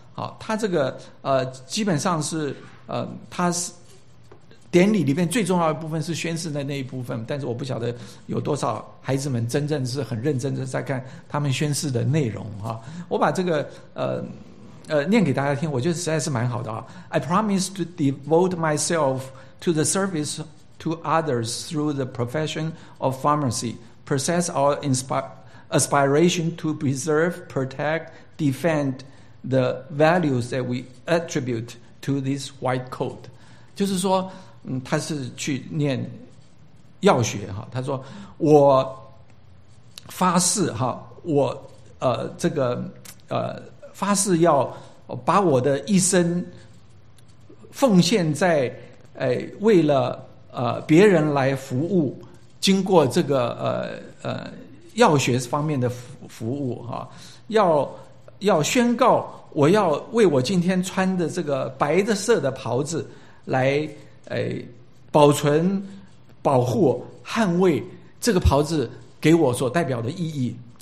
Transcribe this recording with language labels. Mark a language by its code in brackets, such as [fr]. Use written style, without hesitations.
[zh] 好，他这个基本上是他是。典礼里面最重要的部分是宣誓的那一部分，但是我不晓得有多少孩子们真正是很认真的在看他们宣誓的内容啊。我把这个念给大家听，我觉得实在是蛮好的啊。 [en] I promise to devote myself to the service to others through the profession of pharmacy, possess our aspiration to preserve, protect, defend the values that we attribute to this white coat. [zh] 就是说他是去念药学哈，他说我发誓哈，我这个发誓要把我的一生奉献在为了别人来服务，经过这个药学方面的服务哈，要宣告我要为我今天穿的这个白的色的袍子来保存、保护、捍卫这个袍子给我所代表的意义。